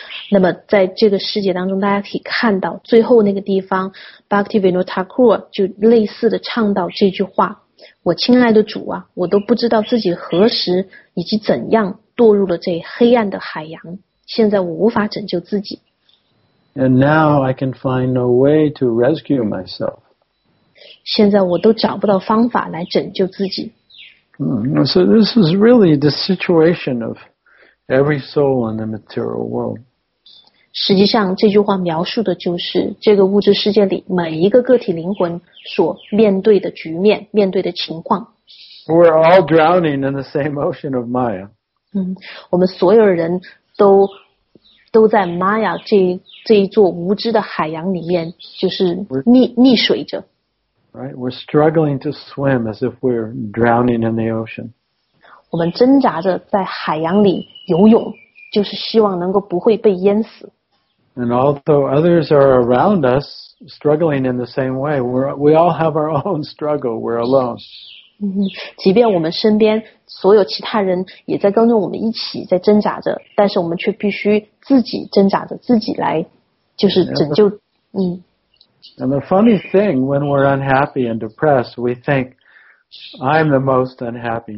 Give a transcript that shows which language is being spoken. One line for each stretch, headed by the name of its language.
Chinese: 那么在这个诗节当中，大家可以看到最后那个地方 Bhaktivinoda Thakur 就类似的唱到这句话，我亲爱的主啊，我都不知道自己何时以及怎样堕入了这黑暗的海洋，现在我无法拯救自己。
English: And now I can find no way to rescue myself.
Chinese: 现在我都找不到方法来拯救自己。
English: So this is really the situation of every soul in the material world.
Chinese: 实际上这句话描述的就是这个物质世界里每一个个体灵魂所面对的局面，面对的情况。
English: We're all drowning in the same ocean of Maya.
Chinese: 我们所有人都在 Maya 这一座无知的海洋里面，就是溺水着。
English: Right, we're struggling to swim as if we're drowning in the ocean.
Chinese: 我们挣扎着在海洋里游泳。就是希望能够不会被淹死。
English: And although others are around us struggling in the same way, we all have our own struggle. We're alone.
Chinese: 即便我们身边所有其他人也在跟着我们一起在挣扎着，但是我们却必须自己挣扎着，自己来就是拯救。
English: And the funny thing, when we're unhappy and depressed, we think, I'm the most unhappy.